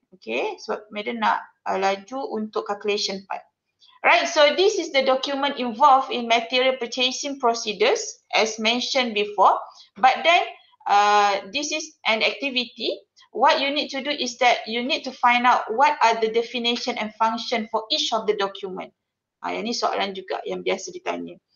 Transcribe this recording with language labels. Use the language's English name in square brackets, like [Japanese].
[Malay] Okay, sebab madam nak laju untuk [English] calculation part. Alright, so this is the document involved in material purchasing procedures as mentioned before. But then, This is an activity. What you need to do is that you need to find out what are the definition and function for each of the document. [Malay] Yang ni soalan juga yang biasa ditanya.